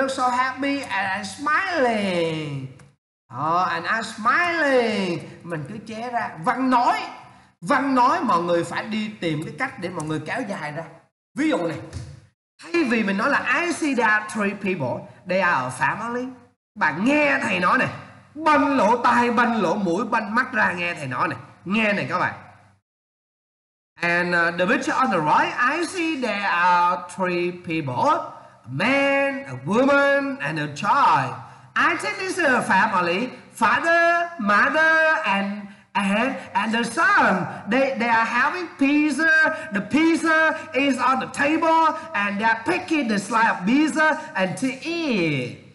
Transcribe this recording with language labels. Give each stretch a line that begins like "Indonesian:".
English: They are having a pizza, and they look so happy and smiling.
Vietnamese: Mình cứ chế ra văn nói mọi người phải đi tìm cái cách để mọi người kéo dài ra. Ví dụ này, thay vì mình nói là I see there are three people, they are a family, bạn nghe thầy nói này, banh lỗ tai, banh lỗ mũi, banh mắt ra nghe thầy nói này, nghe này các bạn.
English: And the picture on the right, I see there are three people, a man, a woman, and a child. I think this is a family, father, mother, and the son. They are having pizza. The pizza is on the table, and they are picking the slice of pizza and to eat.